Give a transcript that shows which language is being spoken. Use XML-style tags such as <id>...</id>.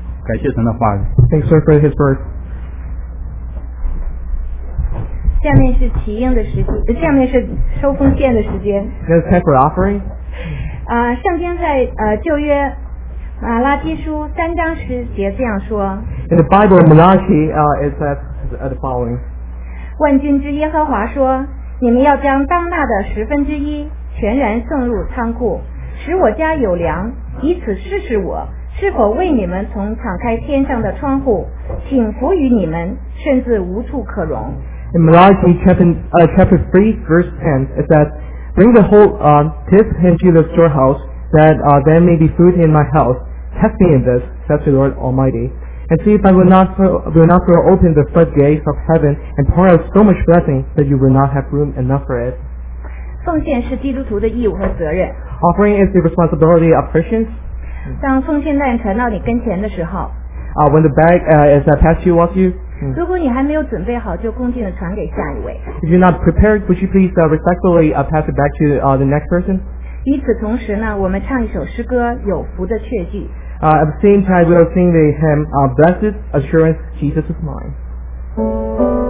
<zh>感谢神的话语。</zh> <en>Thanks, sir, for his word.</en> <zh>下面是起应的时间，下面是收奉献的时间。</zh> <en>That's time for offering.</en> <zh>圣经在旧约马拉基书三章十节这样说。</zh> <en>In the Bible, Malachi it says the following.</en> <zh>万军之耶和华说，你们要将当纳的十分之一全然送入仓库，使我家有粮，以此试试我是否为你们从敞开天上的窗户请服于你们，甚至无处可容。</zh> <en>In Malachi chapter 3 verse 10 it says, bring the whole tithe into the storehouse, that there may be food in my house. Test me in this, says the Lord Almighty, and see if I will not throw open the floodgates of heaven and pour out so much blessing that you will not have room enough for it.</en> <zh>奉献是基督徒的义务和责任。</zh> <en>Offering is the responsibility of Christians.</en> <zh>当奉献袋传到你跟前的时候</zh> <en>when the bag is passed you off you,</en> <zh>如果你还没有准备好就恭敬地传给下一位。</zh> <en>If you're not prepared, would you please respectfully pass it back to the next person?</en> <zh>与此同时呢，我们唱一首诗歌有福的确据。</zh> <en>At the same time, we'll sing the hymn Blessed Assurance, Jesus is Mine.</en>